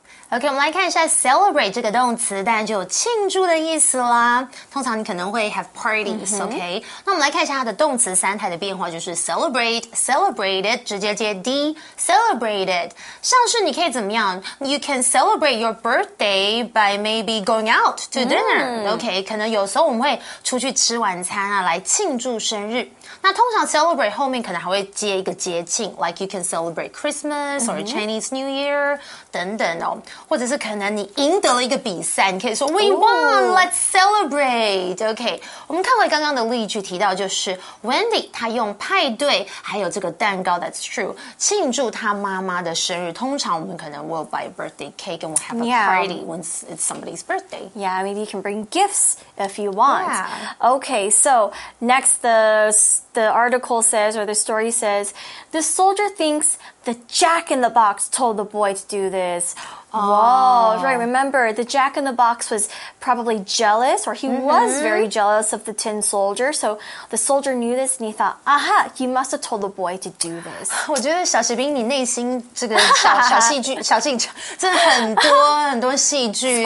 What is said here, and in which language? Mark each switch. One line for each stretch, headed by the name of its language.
Chinese: OK, 我们来看一下 celebrate 这个动词当然就有庆祝的意思啦。通常你可能会
English: have parties,、
Chinese: mm-hmm. OK? 那我们来看一下它的动词三态的变化就是 celebrate, celebrated, 直接接 D, celebrated. 像是你可以怎么样
English: ?You can celebrate your birthday by maybe going out to dinner,、mm-hmm. OK?
Chinese: 可能有时候我们会出去吃晚餐啊来庆祝生日。那通常
English: celebrate
Chinese: 后面可能还会接一个节庆
English: ,like you can celebrate Christmas or Chinese New Year,、mm-hmm.
Chinese: 等等哦。或者是可能你赢得了一个比赛，你可以说
English: We won,、
Chinese: Ooh.
English: Let's celebrate.
Chinese: OK, 我们看回刚刚的例句提到就是 Wendy 她用派对还有这个蛋糕
English: That's true
Chinese: 庆祝她妈妈的生日。通常我们可能
English: will buy a birthday cake and we'll have a、 yeah. party when it's somebody's birthday. Yeah, maybe you can bring gifts if you want.、 Yeah. OK, so next the article says or the story says the soldier thinks the Jack in the Box told the boy to do this. Whoa, right. Remember, the Jack in the Box was probably jealous, or he was very jealous of the tin soldier. So the soldier knew this and he thought, aha, you must have told the boy to do this.
Chinese: 我觉得小士兵你内心这个 小戏剧真的很多很多戏剧